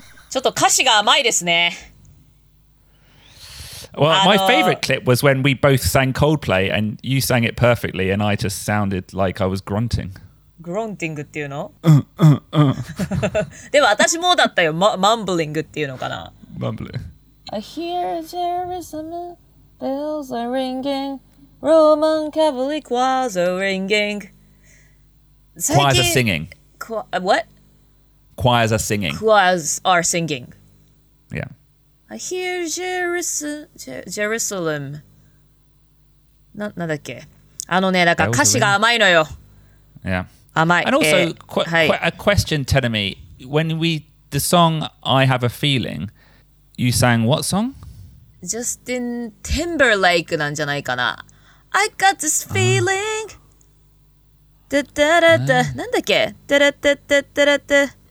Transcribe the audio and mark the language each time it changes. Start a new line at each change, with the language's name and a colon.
Japanese: ちょっと歌詞が甘いですね。
English: Well, my favorite clip was when we both sang Coldplay and you sang it perfectly and I just sounded like I was grunting.
Japanese: Grunting っていうの？でも私もだったよ。Mumbling っていうのかな
English: ？Mumbling. I hear there is some bells are ringing. Roman Cavalry Choirs are ringing. Choirs are singing. What? Choirs are singing. Choirs are singing. Yeah. I hear Jerusalem.
Japanese: なんだっけ？あのね、だから歌詞が甘いのよ。
English: Yeah.
Japanese: 甘い。
English: And also, a question, Tenemi. When the song I Have a Feeling, you sang what song?
Japanese: Justin Timberlake なんじゃないかな。
English: I got this feeling.
Japanese: Da da da da. なんだっけ da da da da da da da.